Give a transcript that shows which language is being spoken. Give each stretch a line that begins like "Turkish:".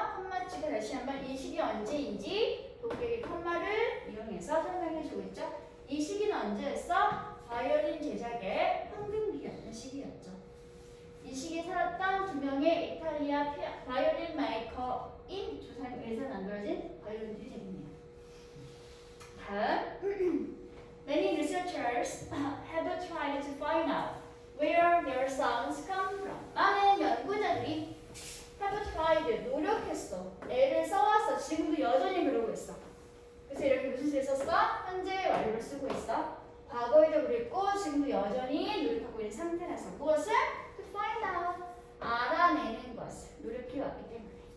Korean: 콤마 찍고 다시 한번 이 시기 언제인지 독백의 콤마를 이용해서 설명해주고 있죠. 이 시기는 언제였어? 바이올린 제작의 황금기였던 시기였죠. 이 시기에 살았던 두 명의 이탈리아 바이올린 메이커인 두 사람에 의해서 만들어진 바이올린 제작입니다. 다음.
English: Many researchers have tried to find out where their sounds come from.
Korean: 많은 연구자들이
English: have tried,
Korean: 노력했어. 애를 써왔어. 지금도 여전히 그러고 있어. 그래서 이렇게 무슨 뜻에 썼어? 현재 완료를 쓰고 있어. 과거에도 그랬고 지금도 여전히 노력하고 있는 상태라서 무엇을?
English: find out.
Korean: 알아내는 것을 노력해왔기 때문에.